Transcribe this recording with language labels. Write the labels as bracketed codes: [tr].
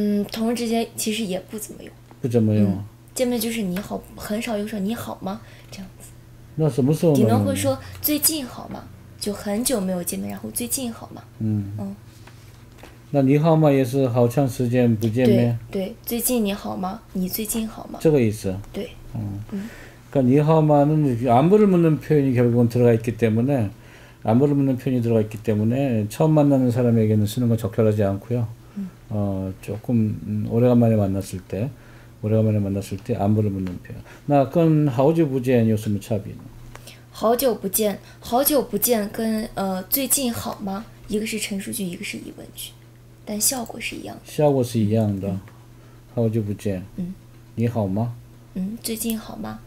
[zh] 同事之间其实也不怎么用。不怎么用。见面就是你好，很少用说你好吗这样子。那什么时候？顶多会说最近好吗？就很久没有见面，然后最近好吗？那你好吗？也是好长时间不见面。对，最近你好吗？你最近好吗？这个意思。对。 [ko] 그러니까 니하오마는 안부를 묻는 표현이 결국은 들어가 있기 때문에 안부를 묻는 표현이 들어가 있기 때문에 처음 만나는 사람에게는 쓰는 건 적절하지 않고요. 조금 오래간만에 만났을 때, 오래간만에 만났을 때 안부를 묻는 표현. [zh] 나跟好久不见有什么差别呢？好久不见，好久不见，跟最近好吗？一个是陈述句，一个是疑问句，但效果是一样效果是一样的。好久不见，你好吗？最近好吗？